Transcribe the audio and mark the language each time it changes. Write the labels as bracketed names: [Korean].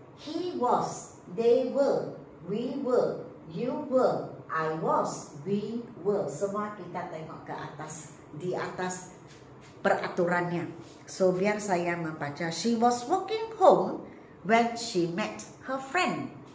[English] He was, they were, you were, I was, we were. [Malay] Semua kita tengok ke atas, di atas peraturannya. So biar saya membaca. [English] She was walking home when she met her friend.